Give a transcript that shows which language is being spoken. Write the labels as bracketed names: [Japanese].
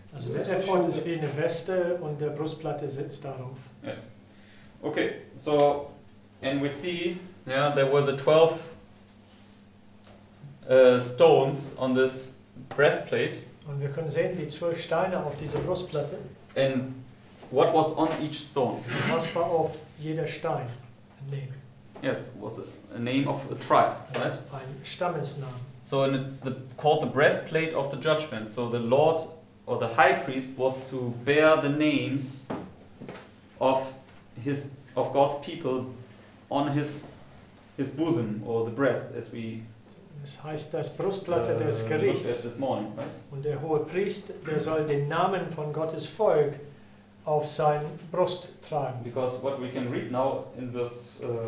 [English] Also the effort is being a vest and the Brustplatte [German] sits darauf. [English] Yes. Okay, so, and we see, yeah, there were the 12 stones on this breastplate. [German] Und wir können sehen die 12 Steine auf dieser Brustplatte. [English] And what was on each stone? [German] Was war auf jeder Stein? [English] A name. Yes, was it? A name of a tribe, right? [German] Ein Stammesname. [English] So, and it's called the breastplate of the judgment. So, the Lord or the high priest was to bear the names of God's people on his bosom or the breast, as we. [German] Das heißt das Brustplatte des Gerichts. [English] This morning, right? [German] Und der hohe Priest, der soll den Namen von Gottes Volk auf sein Brust tragen. [English] Because what we can read now in this.